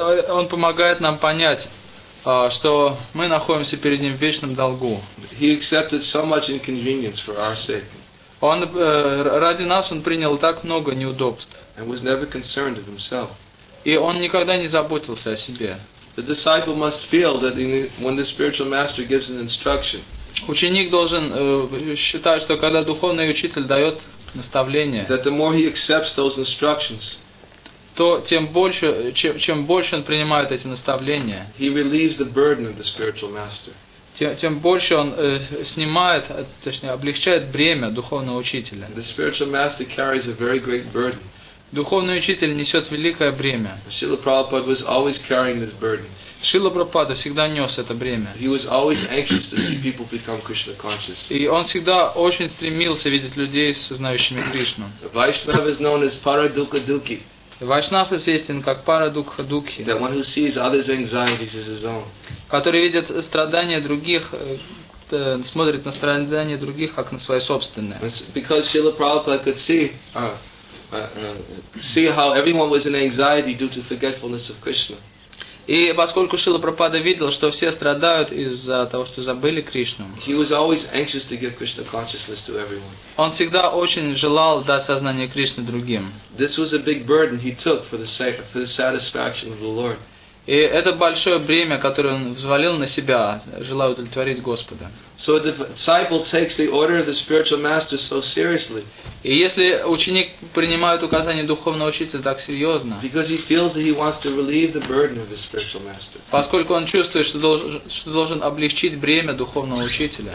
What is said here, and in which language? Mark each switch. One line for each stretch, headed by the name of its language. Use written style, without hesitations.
Russian: Он помогает нам понять, что мы находимся перед ним в вечном долгу.
English: He accepted so much inconvenience for our sake.
Russian: Он ради нас он принял так много неудобств.
English: And was never concerned of himself.
Russian: И он никогда не заботился о себе.
English: The disciple must feel that when the spiritual master gives an instruction.
Russian: Ученик должен считать, что когда духовный учитель дает наставление.
English: That the more he accepts those instructions.
Russian: То тем больше, чем больше он принимает эти наставления.
English: He relieves the burden of the spiritual master.
Russian: Тем больше он снимает, точнее, облегчает бремя духовного учителя.
English: The spiritual master carries a very great burden.
Russian: Духовный учитель несет великое бремя.
English: Srila Prabhupada was always carrying this burden.
Russian: Шрила Прабхупада всегда нес это бремя.
English: He was always anxious to see people become Krishna conscious.
Russian: И он всегда очень стремился видеть людей, сознающими Кришну.
English: Vaishnava is known as Paradukhadukhi.
Russian: Вайшнав известен как Парадукхадукхи.
English: That one who sees others' anxieties as his own.
Russian: Который видит страдания других, смотрит на страдания других как на свои собственные.
English: Because Srila Prabhupada could see how everyone was in anxiety due to forgetfulness of Krishna.
Russian: И поскольку Шрила Прабхупада видел, что все страдают из-за того, что забыли Кришну,
English: he was always anxious to give Krishna consciousness to everyone.
Russian: Он всегда очень желал дать сознание Кришны другим.
English: This was a big burden he took for the satisfaction of the Lord.
Russian: И это большое бремя, которое он взвалил на себя, желая удовлетворить Господа.
English: So the disciple takes the order of the spiritual master so seriously.
Russian: И если ученик принимает указания духовного учителя так серьезно,
English: because he feels that he wants to relieve the burden of his spiritual master.
Russian: Поскольку он чувствует, что должен облегчить бремя духовного учителя.